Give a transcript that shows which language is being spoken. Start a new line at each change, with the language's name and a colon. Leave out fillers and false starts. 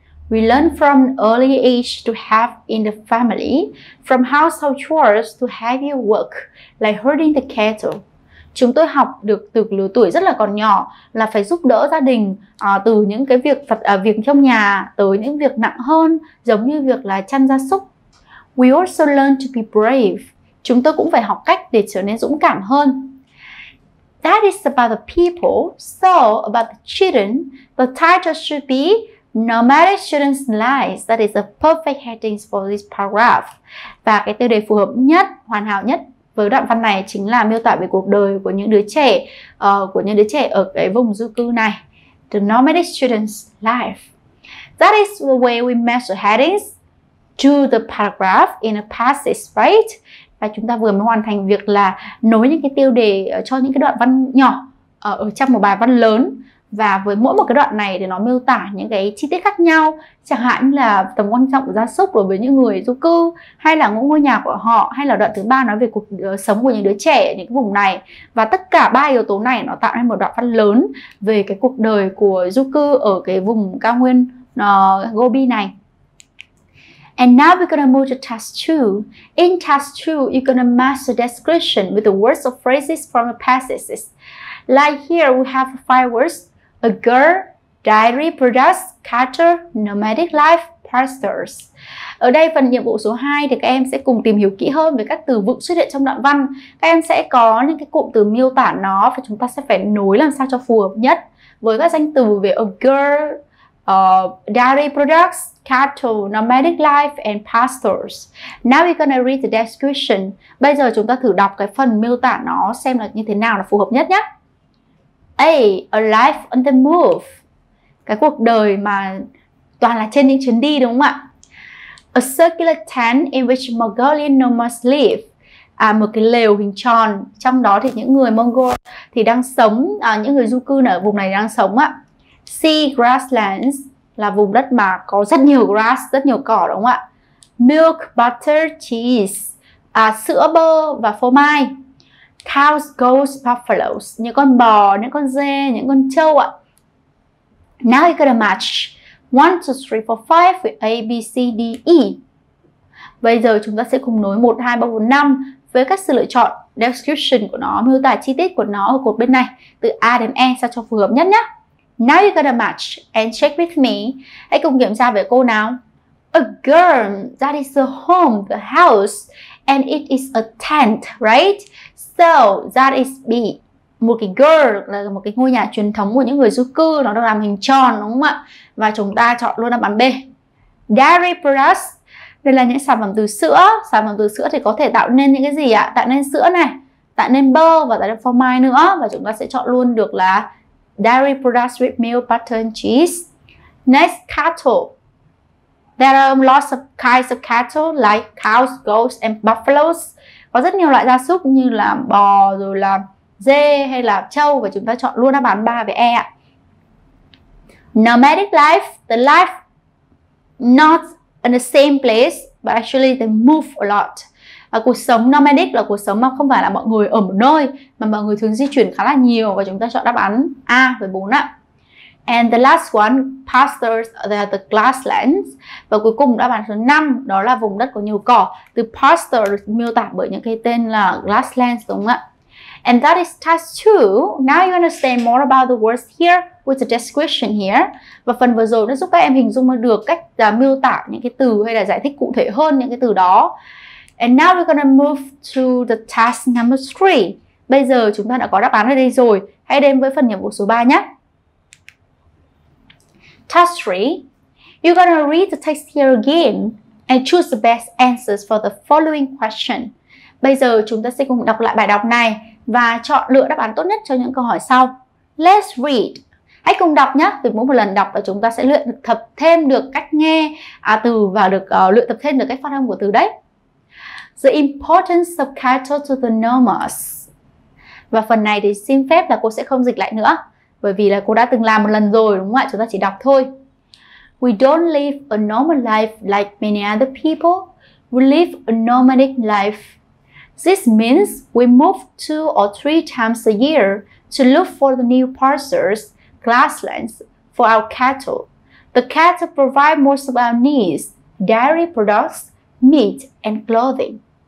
English: We learn from early age to have in the family, from household chores to heavy work, like herding the cattle.
Vietnamese: Chúng tôi học được từ lứa tuổi rất là còn nhỏ là phải giúp đỡ gia đình từ những cái việc việc trong nhà tới những việc nặng hơn giống như việc là chăn gia súc.
English: We also learn to be brave.
Vietnamese: Chúng tôi cũng phải học cách để trở nên dũng cảm hơn.
English: That is about the people. So about the children, the title should be Nomadic Children's Lives. That is the perfect heading for this paragraph.
Vietnamese: Và cái tiêu đề phù hợp nhất, hoàn hảo nhất với đoạn văn này chính là miêu tả về cuộc đời của những đứa trẻ ở cái vùng du cư này.
English: The Nomadic Children's Life. That is the way we match the headings to the paragraph in a passage, right?
Vietnamese: Và chúng ta vừa mới hoàn thành việc là nối những cái tiêu đề cho những cái đoạn văn nhỏ ở trong một bài văn lớn. Và với mỗi một cái đoạn này thì nó miêu tả những cái chi tiết khác nhau, chẳng hạn là tầm quan trọng của gia súc đối với những người du cư, hay là ngôi nhà của họ, hay là đoạn thứ ba nói về cuộc sống của những đứa trẻ ở những vùng này. Và tất cả ba yếu tố này nó tạo nên một đoạn văn lớn về cái cuộc đời của du cư ở cái vùng cao nguyên Gobi này.
English: And now we're gonna move to task 2. In task 2, you're gonna match the description with the words or phrases from the passages. Like here, we have five words: a girl, dairy products, cattle, nomadic life, pastures.
Vietnamese: Ở đây phần nhiệm vụ số 2 thì các em sẽ cùng tìm hiểu kỹ hơn về các từ vựng xuất hiện trong đoạn văn. Các em sẽ có những cái cụm từ miêu tả nó và chúng ta sẽ phải nối làm sao cho phù hợp nhất với các danh từ về
English: a girl, dairy products, cattle, nomadic life and pastures. Now we're gonna read the description.
Vietnamese: Bây giờ chúng ta thử đọc cái phần miêu tả nó xem là như thế nào là phù hợp nhất nhé. A.
English: A life on the move.
Vietnamese: Cái cuộc đời mà toàn là trên những chuyến đi đúng không ạ?
English: A circular tent in which Mongolian nomads live.
Vietnamese: À, một cái lều hình tròn, trong đó thì những người Mongol thì đang sống, những người du cư ở vùng này đang sống ạ. C. Grasslands. Là vùng đất mà có rất nhiều grass, rất nhiều cỏ đúng không ạ? Milk, butter, cheese. À, sữa, bơ và phô mai. Cows, goats, buffaloes, những con bò, những con dê, những con trâu ạ.
English: Now you gotta match 1, 2, 3, 4, 5 with A, B, C, D, E.
Vietnamese: Bây giờ chúng ta sẽ cùng nối 1, 2, 3, 4, 5 với các sự lựa chọn, description của nó, miêu tả chi tiết của nó ở cột bên này, từ A đến E sao cho phù hợp nhất nhé.
English: Now you gotta match and check with me.
Vietnamese: Hãy cùng kiểm tra với cô nào.
English: A girl, that is the home, the house, and it is a tent, right? So, that is B.
Vietnamese: Một cái girl là một cái ngôi nhà truyền thống của những người du cư, nó được làm hình tròn đúng không ạ? Và chúng ta chọn luôn đáp án B. Dairy products, đây là những sản phẩm từ sữa. Sản phẩm từ sữa thì có thể tạo nên những cái gì ạ? Tạo nên sữa này, tạo nên bơ và tạo nên phô mai nữa. Và chúng ta sẽ chọn luôn được là
English: dairy products with milk, butter and cheese. Next, cattle. There are lots of kinds of cattle like cows, goats and buffaloes.
Vietnamese: Có rất nhiều loại gia súc như là bò, rồi là dê hay là trâu, và chúng ta chọn luôn đáp án 3 với E ạ.
English: Nomadic life, the life not in the same place, but actually they move a lot.
Vietnamese: Và cuộc sống nomadic là cuộc sống mà không phải là mọi người ở một nơi, mà mọi người thường di chuyển khá là nhiều, và chúng ta chọn đáp án A với 4 ạ.
English: And the last one, pastures, the grasslands.
Vietnamese: Và cuối cùng đáp án số 5, đó là vùng đất có nhiều cỏ. Từ pasture miêu tả bởi những cái tên là grasslands đúng không ạ?
English: And that is task 2. Now you understand more about the words here with the description here.
Vietnamese: Và phần vừa rồi nó giúp các em hình dung được cách miêu tả những cái từ hay là giải thích cụ thể hơn những cái từ đó.
English: And now we're gonna move to the task number 3.
Vietnamese: Bây giờ chúng ta đã có đáp án ở đây rồi. Hãy đến với phần nhiệm vụ số 3 nhé. Task 3, you're gonna read the text here again and choose the best answers for the following question. Bây giờ chúng ta sẽ cùng đọc lại bài đọc này và chọn lựa đáp án tốt nhất cho những câu hỏi sau.
English: Let's read.
Vietnamese: Hãy cùng đọc nhé. Vì mỗi một lần đọc là chúng ta sẽ luyện tập thêm được cách nghe từ và được luyện tập thêm được cách phát âm của từ đấy.
English: The important subtitle to the normals.
Vietnamese: Và phần này thì xin phép là cô sẽ không dịch lại nữa, bởi vì là cô đã từng làm một lần rồi, đúng không ạ? Chúng ta chỉ đọc thôi.
English: We don't live a normal life like many other people. We live a nomadic life. This means we move 2 or 3 times a year to look for the new pastures, grasslands for our cattle. The cattle provide most of our needs, dairy products, meat and clothing.